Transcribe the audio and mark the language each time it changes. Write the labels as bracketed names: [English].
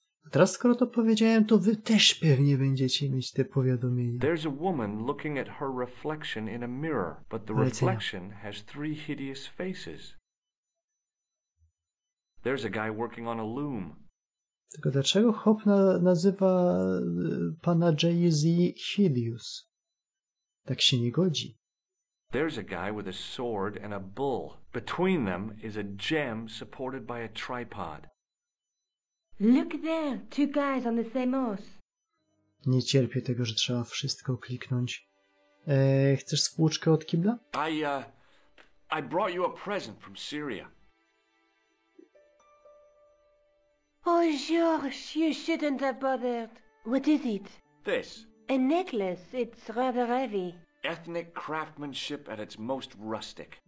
[Polish] Teraz, skoro to powiedziałem, to wy też pewnie będziecie mieć te powiadomienia. [English] There's a woman looking at her reflection in a mirror, but the reflection has three hideous faces. There's a guy working on a loom. [Polish] Tylko dlaczego Hop nazywa pana Jay-Z hideous? Tak się nie godzi. [English] There's a guy with a sword and a bull. Between them is a gem supported by a tripod. Look there, two guys on the same horse. [Polish] Nie cierpię tego, że trzeba wszystko kliknąć. Chcesz spłuczkę od kibla? [English] I brought you a present from Syria. Oh, George, you shouldn't have bothered. What is it? This. A necklace. It's rather heavy. Ethnic craftsmanship at its most rustic.